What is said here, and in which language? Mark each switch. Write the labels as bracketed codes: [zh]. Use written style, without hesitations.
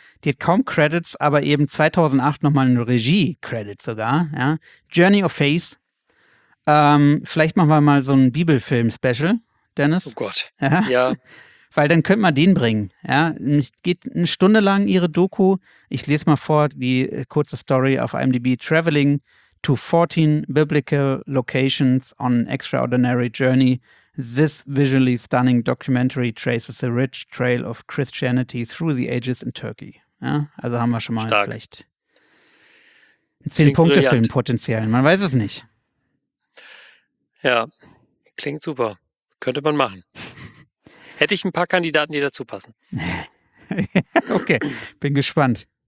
[de] Die hat kaum Credits, aber eben 2008 nochmal einen Regie-Credit sogar. Ja? Journey of Faith. Vielleicht machen wir mal so einen Bibelfilm-Special, Dennis. Oh Gott, ja. Weil dann könnte man den bringen. Ja, es geht eine Stunde lang ihre Doku. Ich lese mal vor, die kurze Story auf IMDb. [en] Traveling to 14 biblical locations on an extraordinary journey, this visually stunning documentary traces a rich trail of Christianity through the ages in Turkey. [de] Ja, also haben wir schon mal vielleicht 10-Punkte-Film potenziell. Man weiß es nicht. Ja, klingt super. Könnte man machen. Hätte ich ein paar Kandidaten, die dazu passen. Okay, bin gespannt.